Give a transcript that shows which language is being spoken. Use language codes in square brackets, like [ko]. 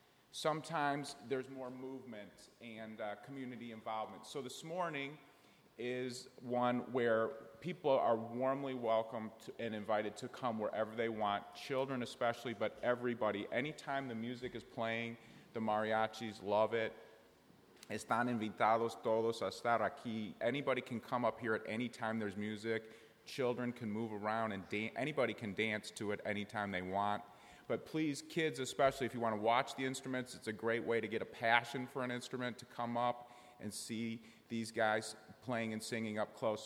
[en] Sometimes there's more movement and community involvement. So this morning is one where people are warmly welcome and invited to come wherever they want, children especially, but everybody. Anytime the music is playing, the mariachis love it. [es] Están invitados todos a estar aquí. [en] Anybody can come up here at any time there's music. Children can move around and anybody can dance to it anytime they want. But please, kids especially, if you want to watch the instruments, it's a great way to get a passion for an instrument, to come up and see these guys playing and singing up close.